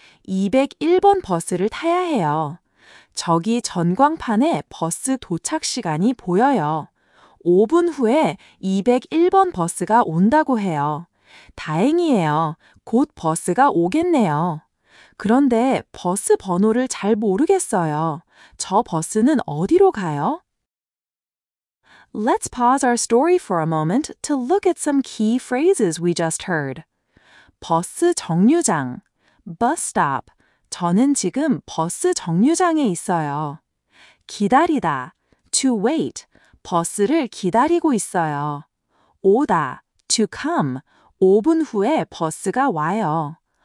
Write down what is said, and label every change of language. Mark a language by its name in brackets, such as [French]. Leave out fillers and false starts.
[Korean] 201번 버스를 타야 해요. 저기 전광판에 버스 도착 시간이 보여요. 5분 후에 201번 버스가 온다고 해요. 다행이에요. 곧 버스가 오겠네요. 그런데 버스 번호를 잘 모르겠어요. 저 버스는 어디로 가요? [English] Let's pause our story for a moment to look at some key phrases we just heard. [Korean] 버스 정류장, [English] bus stop. [Korean] 저는 지금 버스 정류장에 있어요. 기다리다, [English] to wait, [Korean] 버스를 기다리고 있어요. 오다, [English] to come, [Korean] 5분 후에 버스가 와요.